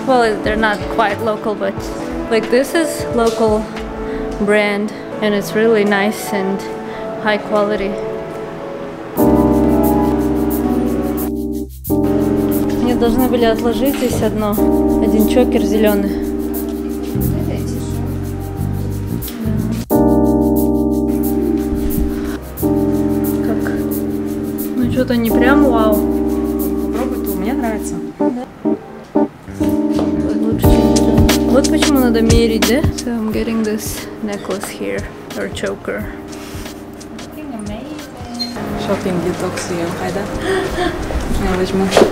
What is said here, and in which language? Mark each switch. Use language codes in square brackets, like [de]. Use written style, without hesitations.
[en] Well, they're not quite local, but like this is local brand and it's really nice and high quality. [ru] Мне должны были отложить здесь одно, один чокер зеленый. Что-то не прям вау. Попробуй, то мне нравится. Вот почему надо мерить, да? [en] So I'm getting this necklace here, or choker. Looking amazing. Shopping detox, [ru] я пойду. Я возьму.